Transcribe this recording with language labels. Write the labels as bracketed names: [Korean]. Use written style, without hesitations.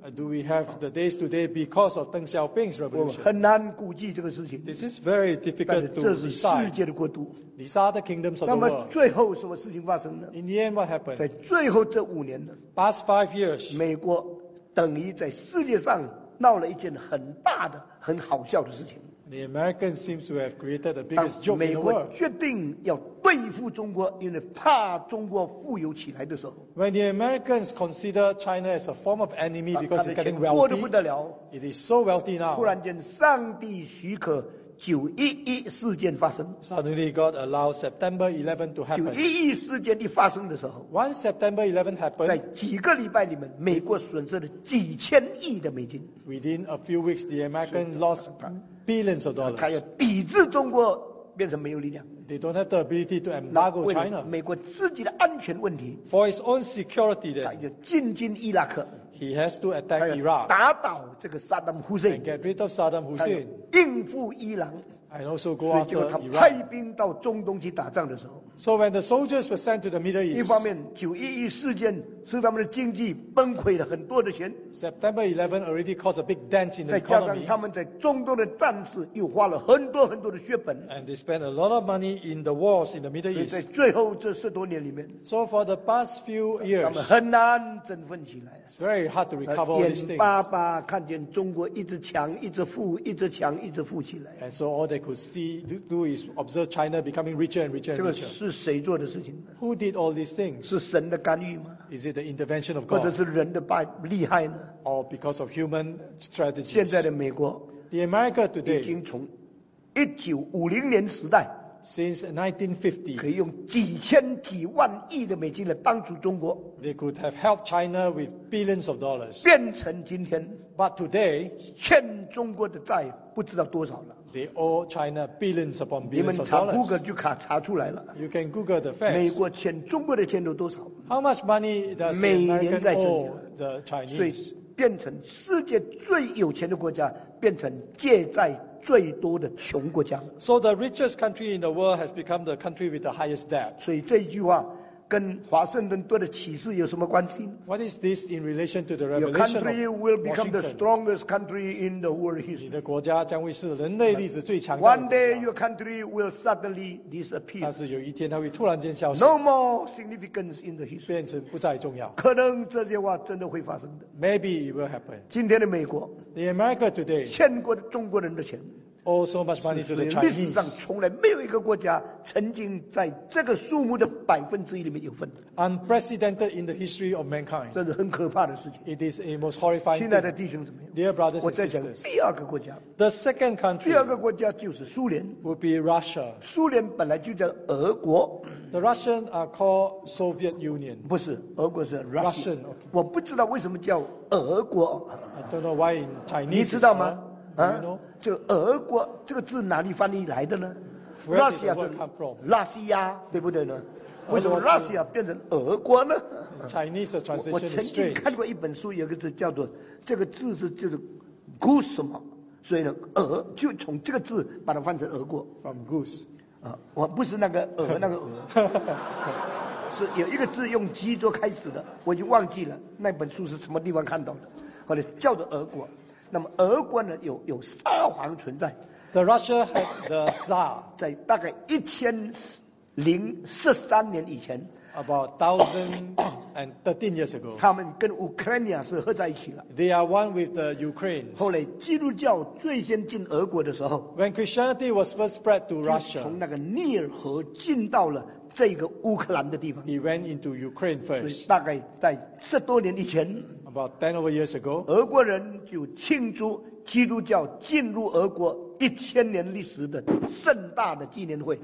[English] ？Do we have the days today because of Deng Xiaoping's revolution？ [Chinese] 很难估计这个事情。 [English] This is very difficult to decide. [Chinese] 这是世界的国度。 [English] These are the kingdoms of the world. [Chinese] 那么最后什么事情发生呢 [English] ？In the end, what happened？ [Chinese] 在最后这五年呢 [English] ？Past five years， [Chinese] 美国等于在世界上闹了一件很大的、很好笑的事情。 [English] The Americans seem to have created the biggest joke in the world. [Chinese] 当美国决定要对付中国，因为怕中国富有起来的时候 [English] ，When the Americans consider China as a form of enemy because it's getting wealthy, [Chinese] 过得不得了 [English] ，it is so wealthy now. [Chinese] 突然间，上帝许可911事件发生 [English] ，Suddenly God allows September 11 to happen. [Chinese] 911事件一发生的时候 [English] ，Once September 11 happened, [Chinese] 在几个礼拜里面，美国损失了几千亿的美金。 [English] Within a few weeks, the American lost. Billions of dollars. [Chinese] 他要抵制中国，变成没有力量。 [English] They don't have the ability to embargo China. [Chinese] 美国自己的安全问题。 [English] For his own security, then. [Chinese] 他要进军伊拉克。 [English] He has to attack Iraq. [Chinese] 打倒这个萨达姆·胡塞。 [English] And get rid of Saddam Hussein. [Chinese] 应付伊朗。 [English] And also go after Iraq. [Chinese] 所以他派兵到中东去打仗的时候。 [English] So when the soldiers were sent to the Middle East. [Chinese] 一方面 ，911 事件使他们的经济崩溃了很多的钱。 [English] September 11 already caused a big dent in the economy. [Chinese] 再加上他们在中东的战事又花了很多很多的血本。 [English] And they spent a lot of money in the wars in the Middle East. [Chinese] 在最后这十多年里面。 [English] So for the past few years. [Chinese] 他们很难振奋起来。 [English] It's very hard to recover all these things. [Chinese] 眼巴巴看见中国一直强，一直富，一直强，一直富起来。 [English] And so all they could see do is observe China becoming richer and richer and richer. [Chinese] 是谁做的事情 [English] ？Who did all these things？ [Chinese] 是神的干预吗 [English] ？Is it the intervention of God？ [Chinese] 或者是人的败厉害呢 [English] ？Or because of human strategies？ [Chinese] 现在的美国 [English] ，The America today [Chinese] 已经从1950年时代 [English] ，Since 1950， [Chinese] 可以用几千几万亿的美金来帮助中国 [English] ，They could have helped China with billions of dollars。 [Chinese] 变成今天 [English] ，But today [Chinese] 欠中国的债不知道多少了。 [English] They owe China billions upon billions of dollars. [Chinese] 你们查 Google 就卡查出来了。 [English] You can Google the facts. [Chinese] 美国欠中国的钱有多少 [English] ？How much money does the American owe the Chinese? [Chinese] 所以变成世界最有钱的国家，变成借债最多的穷国家。 [English] So the richest country in the world has become the country with the highest debt. [Chinese] 所以这句话跟华盛顿对的启示有什么关系？ [English] What is this in relation to the revelation of Washington? Your country will become the strongest country in the world history. [Chinese] 你的国家将会是人类历史最强大的。 [English] One day your country will suddenly disappear. [Chinese] 但是有一天它会突然间消失。 [English] No more significance in the history. [Chinese] 变成不再重要。可能这些话真的会发生的。 [English] Maybe it will happen. [Chinese] 今天的美国 [English] ，The America today， [Chinese] 欠过中国人的钱。 [English] Owe so much money to the Chinese. [Chinese] 历史上从来没有一个国家曾经在这个数目的百分之一里面有份。 [English] Unprecedented in the history of mankind. [Chinese] 这是很可怕的事情。 [English] It is a most horrifying thing. [Chinese] 亲爱的弟兄姊妹 [English] ，Dear brothers and sisters， [Chinese] 我在讲第二个国家。 [English] The second country. [Chinese] 第二个国家就是苏联。 [English] Would be Russia. [Chinese] 苏联本来就叫俄国。 [English] The Russians are called Soviet Union. [Chinese] 不是，俄国是 Russia. [English] Russian.、Okay. [Chinese] 我不知道为什么叫俄国。 [English] I don't know why in Chinese. [Chinese] 你知道吗？ [English] 啊、you know? ， [Chinese] 就俄国这个字哪里翻译来的呢？Russia 就拉西亚，对不对呢？为什么 Russia 变成俄国呢 [English] ？Chinese translation [Chinese] 我曾经看过一本书，有个字叫做这个字是就是 goose 嘛，所以呢，俄就从这个字把它换成俄国。 [English] From goose， [Chinese] 啊，我不是那个俄那个俄，是有一个字用鸡做开始的，我就忘记了那本书是什么地方看到的，后来叫做俄国。那么俄国呢有沙皇存在 [English] ，The Russia had the Tsar [Chinese] 在大概1013年以前 [English] ，About 1013 years ago， [Chinese] 他们跟乌克兰是合在一起了 [English] ，They are one with the Ukraine。 [Chinese] 后来基督教最先进俄国的时候 [English] ，When Christianity was first spread to Russia， [Chinese] 从那个涅尔河进到了。这个乌克兰的地方 [English] He went into Ukraine first. [Chinese] 所以大概在十多年以前 [English] About 10 over years ago [Chinese] 俄国人就庆祝基督教进入俄国一千年历史的盛大的纪念会